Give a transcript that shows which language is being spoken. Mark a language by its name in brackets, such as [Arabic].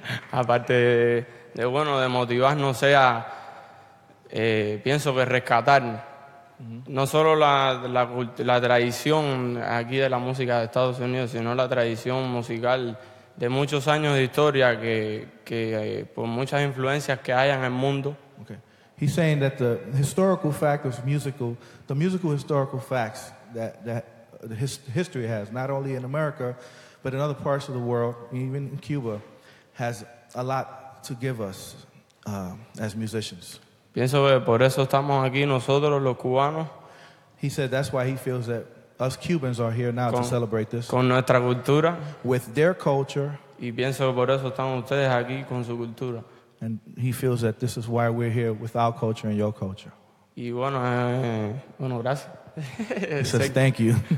[Spanish] Aparte de bueno, de motivarnos, sea, pienso que rescatar no solo la tradición aquí de la música de Estados Unidos, sino la tradición musical de muchos años de historia que por muchas influencias que hay en el mundo. [English] Okay. He's saying that the historical facts of musical, the musical historical facts that the history has, not only in America, but in other parts of the world, even in Cuba, has a lot to give us as musicians. [Spanish] Pienso que por eso estamos aquí nosotros los cubanos. [English] He said that's why he feels that us Cubans are here now to celebrate this. [Spanish] Con nuestra cultura. [English] With their culture. [Spanish] Y pienso que por eso están ustedes aquí con su cultura. [English] And he feels that this is why we're here with our culture and your culture. [Spanish] Y bueno, bueno, gracias. [English] He says thank you.